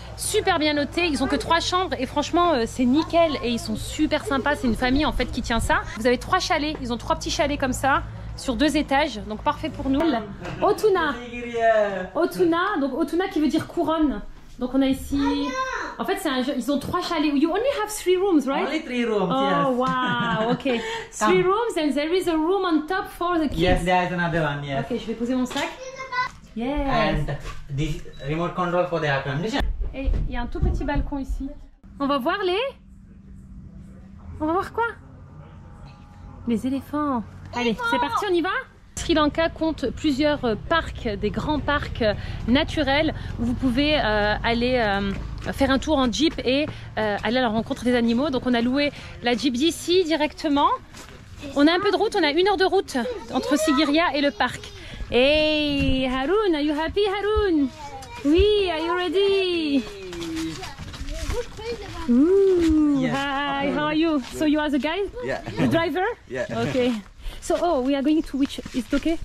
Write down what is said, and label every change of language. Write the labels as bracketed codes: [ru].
[fr] Super bien noté, ils ont que 3 chambres et franchement, c'est nickel et ils sont super sympas. C'est une famille en fait qui tient ça. Vous avez 3 chalets, ils ont 3 petits chalets comme ça, sur 2 étages, donc parfait pour nous. Otuna. Otuna, donc Otuna qui veut dire couronne. Donc on a ici... En fait, c'est un jeu. Ils ont 3 chalets. [en] You only have 3 rooms, right? Only 3 rooms, oh, yes. Oh, wow, okay. 3 rooms and there is a room on top for the kids. Yes, there is another one, yes. [fr] Okay, je vais poser mon sac. [en] Yes. And this remote control for the air conditioning. [fr] Et il y a un tout petit balcon ici. On va voir les... On va voir quoi? Les éléphants. Allez, c'est parti, on y va? Sri Lanka compte plusieurs parcs, des grands parcs naturels où vous pouvez aller faire un tour en jeep et aller à la rencontre des animaux. Donc on a loué la jeep d'ici directement On a un peu de route, on a une heure de route entre Sigiriya et le parc. [en] Hey Haroun, are you happy Haroun? Oui, are you ready? Ooh, hi, how are you? So you are the guide? Yeah. The driver? Yeah. Okay. So, oh, we are going to which, is it okay?